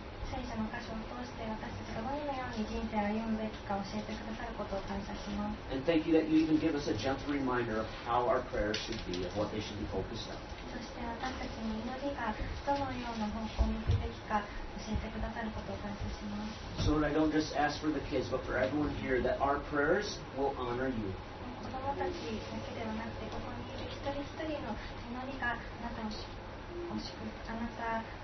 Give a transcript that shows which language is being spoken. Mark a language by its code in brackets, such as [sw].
[ja] 聖書の箇所を通して私たちがどのように人生を歩むべきか教えてくださることを感謝します。 [en] And thank you that you even give us a gentle reminder of how our prayers should be, of what they should be focused on. [ja] そして私たちの祈りがどのような方向に向くべきか教えてくださることを感謝します。 [en] So Lord, I don't just ask for the kids, but for everyone here, that our prayers will honor you. [ja] 子供たちだけではなくて、ここにいる一人一人の祈りがあなたを祝福、あなた